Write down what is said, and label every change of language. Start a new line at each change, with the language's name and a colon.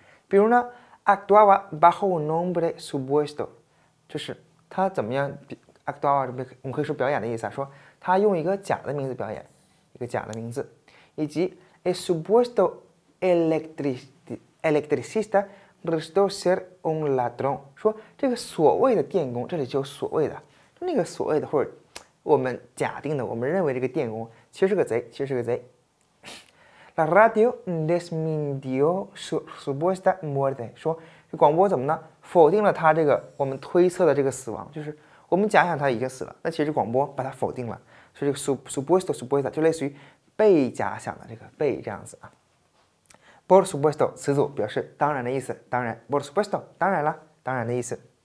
Chinese: 比如呢，
Spanish: actuaba bajo un nombre supuesto，
Chinese: 就是他怎么样？actuaba 这边我们可以说表演的意思啊，说他用一个假的名字表演，一个假的名字，以及
Spanish: el supuesto electricista resultó ser un ladrón，
Chinese: 说这个所谓的电工，这里就有所谓的，那个所谓的或者我们假定的，我们认为这个电工其实是个贼，其实是个贼。
Spanish: La radio desmintió su supuesta muerte，
Chinese: 说这广播怎么呢？否定了他这个我们推测的这个死亡，就是我们假想他已经死了，那其实广播把他否定了，所以这个 supuesto 就类似于被假想的这个被这样子啊。 Por supuesto，词组表示当然的意思，当然。Por supuesto，当然了，当然的意思。